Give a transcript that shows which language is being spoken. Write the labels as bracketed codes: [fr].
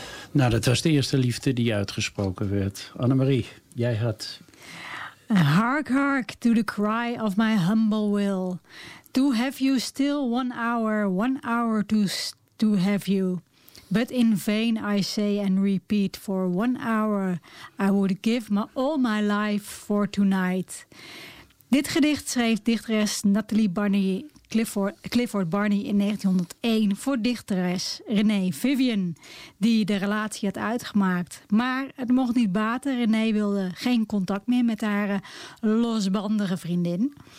[nl] Nou, dat was de eerste liefde die uitgesproken werd. Annemarie, jij had... [en] Hark, hark, to the cry of my humble will. To have you still one hour to have you. But in vain I say and repeat, for one hour I would give my, all my life for tonight. [nl] Dit gedicht schreef dichteres Nathalie Barney Clifford Barney in 1901 voor dichteres René Vivian, die de relatie had uitgemaakt. Maar het mocht niet baten. René wilde geen contact meer met haar losbandige vriendin.